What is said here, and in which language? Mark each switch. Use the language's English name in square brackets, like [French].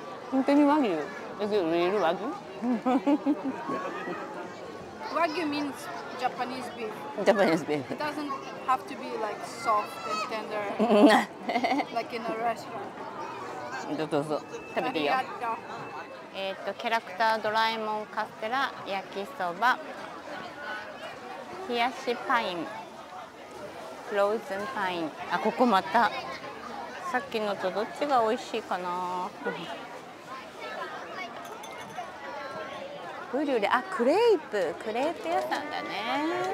[Japanese] 本当に和牛、和牛、リール和牛 [English] 和牛 means Japanese beef、 Japanese beef、 it doesn't have to be like soft and tender like in a restaurant。 [Japanese] どうぞ、どうぞ、食べていいよ。キャラクタードラえもんカステラ、焼きそば、冷やしパイン、フローズンパイン、あ、ここまたさっきのとどっちが美味しいかな、ブリュレ、あ、クレープ、クレープ屋さんだね。